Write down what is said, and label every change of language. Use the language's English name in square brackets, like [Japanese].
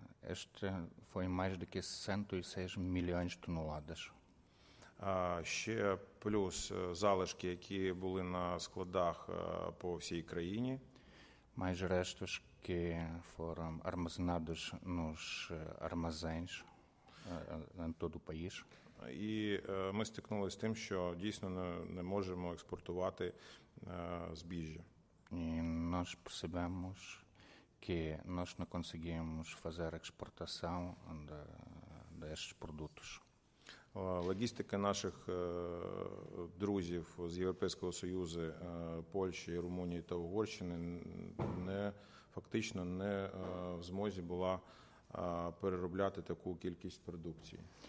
[Portuguese] Este foi mais do que 106 [Ukrainian] мільйонів тонн. Ще плюс залишки, які були на складах по всій країні. [Portuguese] Mais restos que foram armazenados nos armazéns em todo o país. [Ukrainian] І ми стикнулися з тим, що дійсно не можемо експортувати збіжжя. [Portuguese] І nós percebemos que nós não conseguimos fazer exportação destes produtos. [Ukrainian] Логістика наших друзів з Європейського Союзу, Польщі, Румунії та Угорщини фактично не в змозі була переробляти таку кількість продукції.